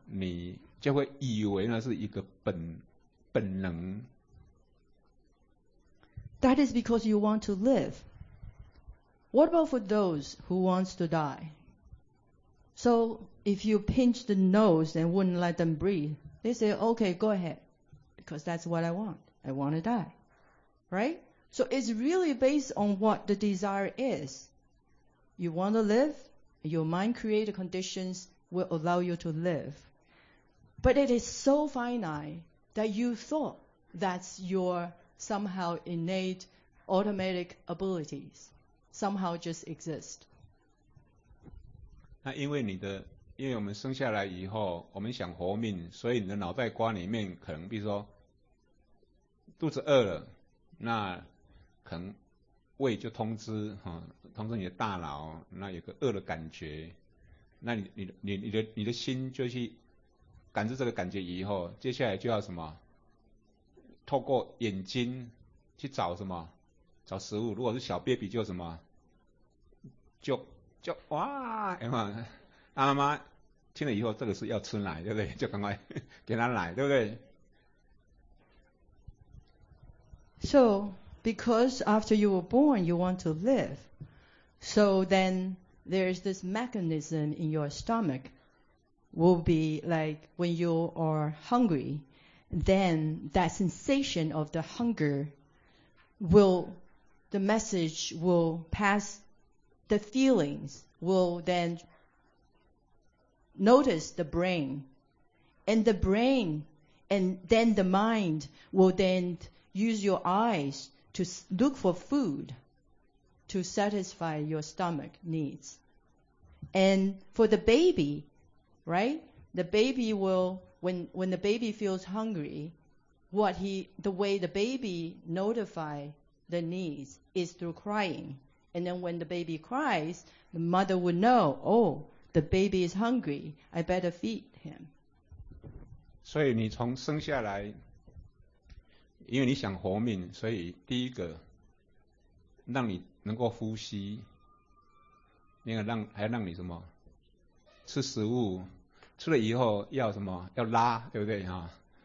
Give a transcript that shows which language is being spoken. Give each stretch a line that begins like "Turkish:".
Chinese: 你就会以为那是一个本能。
English: That is because you want to live. What about for those who wants to die? So if you pinch the nose and wouldn't let them breathe, they say, "Okay, go ahead," because that's what I want. I want to die, right? So it's really based on what the desire is. You want to live.Your mind creates conditions will allow you to live. But it is so finite that you thought that's your somehow innate automatic abilities somehow just exist.
Chinese: 那因为你的，因为我们生下来以后，我们想活命，所以你的脑袋瓜里面可能，比如说肚子饿了，那可能胃就通知，通知你的大脑，那有个饿的感觉，那你的心就去感知这个感觉以后，接下来就要什么？透过眼睛去找什么？找食物。如果是小 baby 就什么？就哇，哎嘛，那妈妈听了以后，这个是要吃奶，对不对？就赶快给他奶，对不对
English: ？So because after you were born, you want to live. So then there's this mechanism in your stomach will be like when you are hungry, then that sensation of the hunger will, the message will pass. The feelings will then notice the brain, and the brain, and then the mind will then use your eyes to look for food to satisfy your stomach needs. And for the baby, right? The baby will, when the baby feels hungry, the way the baby notify the needs is through crying. And then when the baby cries, the mother would know, oh, the baby is hungry. I better feed him.
Chinese: 所以你从生下来，因为你想活命，所以第一个让你能够呼吸，另外还要让你什么吃食物，吃了以后要什么要拉，对不对啊？